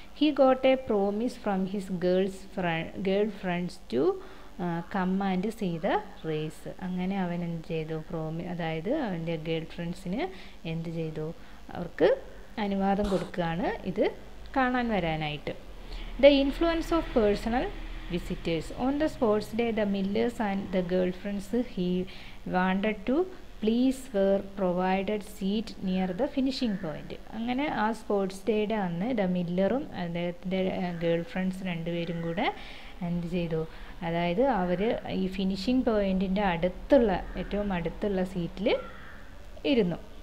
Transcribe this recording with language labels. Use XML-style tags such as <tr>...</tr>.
<en>He got a promise from his girl friends to come and see the race.</en> <ml>അങ്ങനെ അവൻ എന്ത് ചെയ്തു, അതായത് അവൻ്റെ ഗേൾ ഫ്രണ്ട്സിന് എന്ത് ചെയ്തു, അവർക്ക് അനുവാദം കൊടുക്കുകയാണ് ഇത് കാണാൻ വരാനായിട്ട്.</ml> <en>The influence of personal visitors. On the sports day, the millers and the girlfriends he wanted to please were provided seat near the finishing point.</en> <ml>അങ്ങനെ ആ സ്പോർട്സ് ഡേയുടെ അന്ന് ദ മില്ലറും അദ്ദേഹത്തിൻ്റെ ഗേൾ ഫ്രണ്ട്സ് രണ്ടുപേരും കൂടെ എന്ത് ചെയ്തു, അതായത് അവർ ഈ ഫിനിഷിംഗ് പോയിൻറ്റിൻ്റെ ഏറ്റവും അടുത്തുള്ള സീറ്റിൽ ഇരുന്നു.</ml>